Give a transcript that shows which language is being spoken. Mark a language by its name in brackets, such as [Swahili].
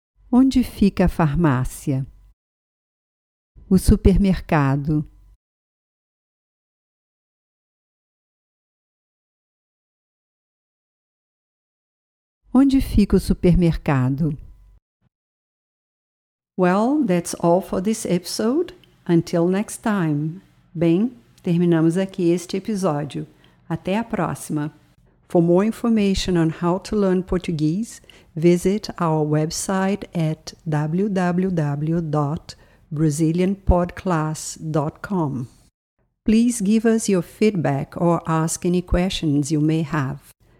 [Portuguese] Onde fica a farmácia? O supermercado. Onde fica o supermercado? [English] Well, that's all for this episode. Until next time. [Portuguese] Bem, terminamos aqui este episódio. Até a próxima. [English] For more information on how to learn Portuguese, visit our website at www.brazilianpodclass.com. Please give us your feedback or ask any questions you may have.